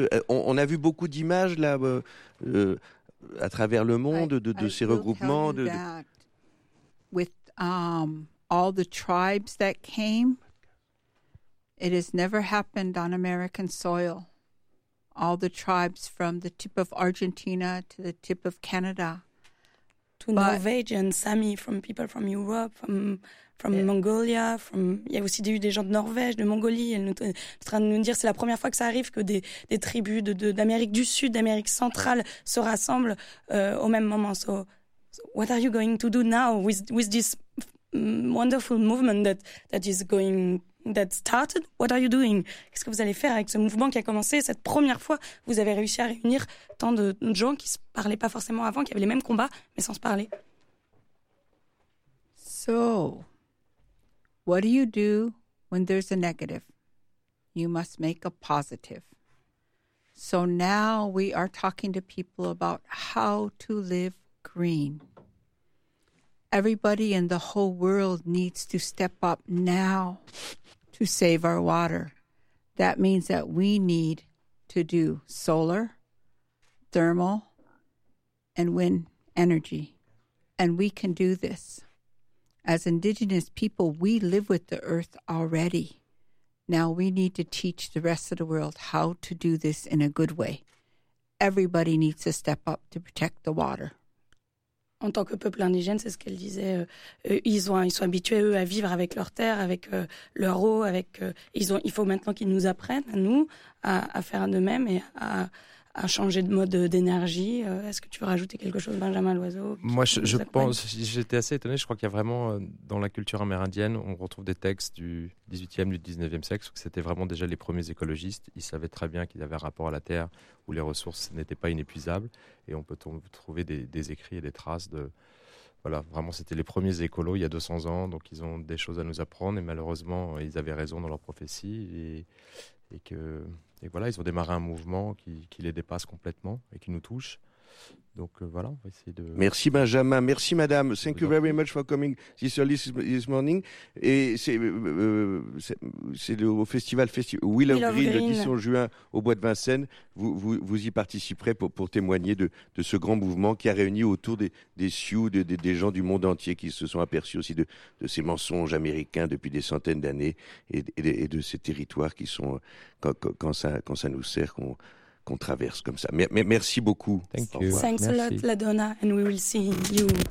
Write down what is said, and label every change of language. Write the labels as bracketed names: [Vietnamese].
[French] On a vu beaucoup d'images là à travers le monde de ces regroupements [English] With all the tribes that came, it has never happened on American soil. All the tribes from the tip of Argentina to the tip of Canada to Norwegian Sami, from people from Europe, from Mongolia, [French] il y a aussi eu des gens de Norvège, de Mongolie. Elle est en train de nous dire, c'est la première fois que ça arrive que des tribus d'Amérique du Sud, d'Amérique centrale se rassemblent au même moment. [English] So, what are you going to do now with this wonderful movement that started? What are you doing? [French] Qu'est-ce que vous allez faire avec ce mouvement qui a commencé cette première fois? Vous avez réussi à réunir tant de gens qui se parlaient pas forcément avant, qui avaient les mêmes combats, mais sans se parler. [English] So, what do you do when there's a negative? You must make a positive. So now we are talking to people about how to live green. Everybody in the whole world needs to step up now to save our water. That means that we need to do solar, thermal, and wind energy. And we can do this. As indigenous people, we live with the earth already. Now we need to teach the rest of the world how to do this in a good way. Everybody needs to step up to protect the water. [French] En tant que peuple indigène, c'est ce qu'elle disait, ils sont habitués, eux, à vivre avec leur terre, avec leur eau, avec, il faut maintenant qu'ils nous apprennent, nous, à faire de même et à changer de mode d'énergie. Est-ce que tu veux rajouter quelque chose, Benjamin Loiseau? Moi, je pense, j'étais assez étonné, je crois qu'il y a vraiment, dans la culture amérindienne, on retrouve des textes du 18e, du 19e siècle, où c'était vraiment déjà les premiers écologistes, ils savaient très bien qu'ils avaient un rapport à la terre, où les ressources n'étaient pas inépuisables, et on peut trouver des écrits et des traces de... Voilà, vraiment, c'était les premiers écolos il y a 200 ans, donc ils ont des choses à nous apprendre, et malheureusement, ils avaient raison dans leur prophétie, et voilà, ils ont démarré un mouvement qui les dépasse complètement et qui nous touche. Donc voilà, on va essayer de... Merci Benjamin, merci madame. [English] Thank you very much for coming this early this morning. [French] Et c'est au festival Willow Green le 10 juin au bois de Vincennes. Vous y participerez pour témoigner de ce grand mouvement qui a réuni autour des Sioux, des gens du monde entier qui se sont aperçus aussi de ces mensonges américains depuis des centaines d'années et de ces territoires qui sont, quand ça nous sert, qu'on traverse comme ça. Mais merci beaucoup. [English] Thank you. Thanks a lot, Ladonna, and we will see you.